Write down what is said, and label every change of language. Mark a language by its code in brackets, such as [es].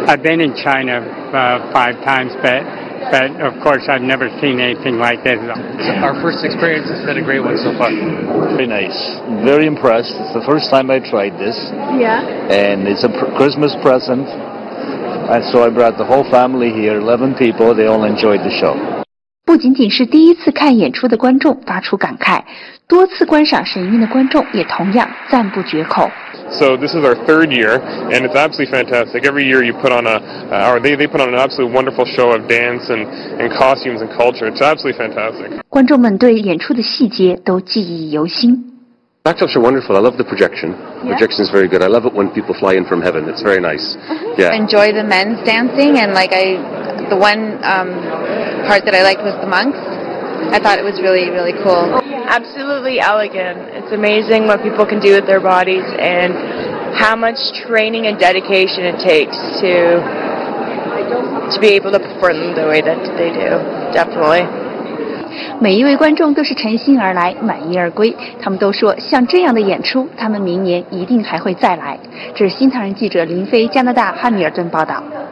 [en] I've been in China five times, but of course, I've never seen anything like this. Our first experience has been a great one so far. Very nice. Very impressed. It's the first time I tried this. Yeah. And it's a Christmas present. And so I brought the whole family here, 11 people, they all enjoyed the show. [zh] 不仅仅是第一次看演出的观众发出感慨，多次观赏神韵的观众也同样赞不绝口。 [en] So this is our third year, and it's absolutely fantastic. Every year you put on they put on an absolutely wonderful show of dance and costumes and culture. It's absolutely fantastic. [zh] 观众们对演出的细节都记忆犹新。 [en] Backdrops are wonderful. I love the projection. Projection is very good. I love it when people fly in from heaven. It's very nice. Yeah. Enjoy the men's dancing. And like the one part that I liked was the monks. I thought it was really, really cool. Absolutely elegant. It's amazing what people can do with their bodies and how much training and dedication it takes to be able to perform the way that they do. Definitely. [zh] 每一位观众都是诚心而来，满意而归。他们都说，像这样的演出，他们明年一定还会再来。这是新唐人记者林飞，加拿大汉密尔顿报道。